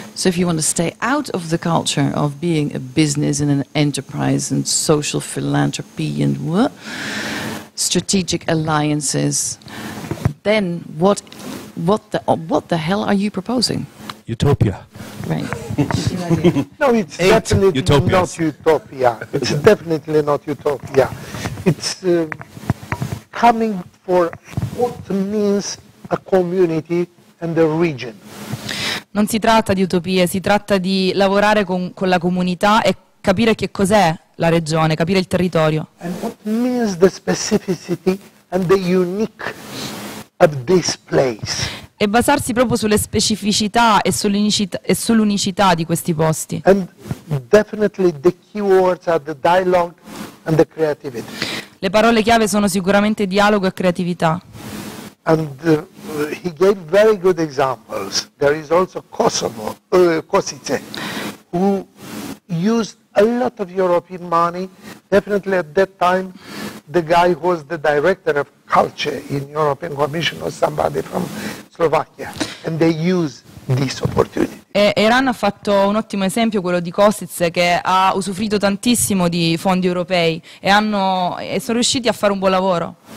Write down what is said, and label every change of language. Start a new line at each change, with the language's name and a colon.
English: So if you want to stay out of the culture of being a business and an enterprise and social philanthropy and what strategic alliances, then what the hell are you proposing? utopia. Right. No, it's definitely utopias. Not utopia. It's definitely not utopia. It's coming for what means a community and a region.
Italian: Non si tratta di utopie, si tratta di lavorare con la comunità e capire che cos'è la regione, capire il territorio.
English: And what means the specificity and the unique of this place.
Italian: E basarsi proprio sulle specificità e sull'unicità di questi posti.
English: And definitely the keywords are the dialogue and the creativity.
Italian: Le parole chiave sono sicuramente dialogo e creatività.
English: And he gave very good examples. There is also Kosovo, Kosice, who used a lot of European money. Definitely at that time, the guy who was the director of culture in European Commission was somebody from Slovakia, and they use this opportunity.
Italian: Eran ha fatto un ottimo esempio, quello di Kosice, che ha usufruito tantissimo di fondi europei e sono riusciti a fare un buon lavoro.